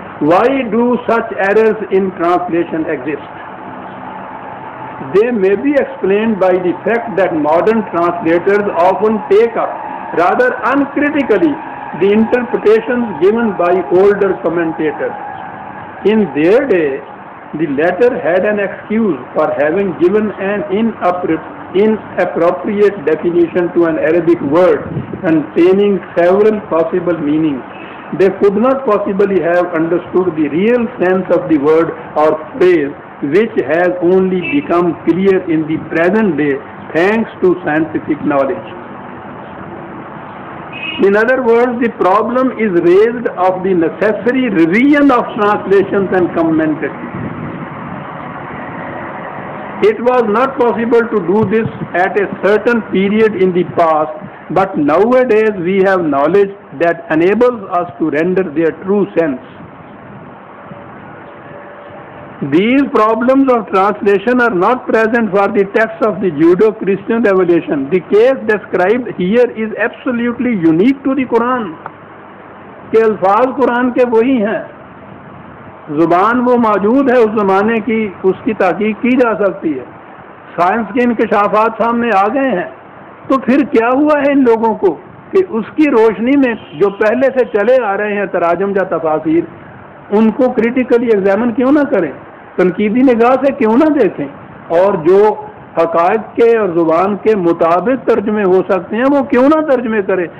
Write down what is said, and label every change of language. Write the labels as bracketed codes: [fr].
[en] Why do such errors in translation exist, they may be explained by the fact that modern translators often take up rather uncritically the interpretation given by older commentator. In their day the latter had an excuse for having given an inappropriate definition to an Arabic word containing several possible meanings. They could not possibly have understood the real sense of the word or phrase, which has only become clear in the present day thanks to scientific knowledge. In other words, the problem is raised of the necessary revision of translations and commentaries. It was not possible to do this at a certain period in the past, but nowadays we have knowledge that enables us to render their true sense. These problems of translation are not present for the texts of the Judeo-Christian revelation. The case described here is absolutely unique to the Quran. [ur] کہ الفاظ قرآن کے وہی ہیں, زبان وہ موجود ہے اس زمانے کی, اس کی تحقیق کی جا سکتی ہے, سائنس کے انکشافات سامنے آ گئے ہیں. تو پھر کیا ہوا ہے ان لوگوں کو کہ اس کی روشنی میں جو پہلے سے چلے آ رہے ہیں تراجم یا تفاسیر ان کو کریٹیکلی ایگزامن کیوں نہ کریں, تنقیدی نگاہ سے کیوں نہ دیکھیں, اور جو حقائق کے اور زبان کے مطابق ترجمے ہو سکتے ہیں وہ کیوں نہ ترجمے کریں.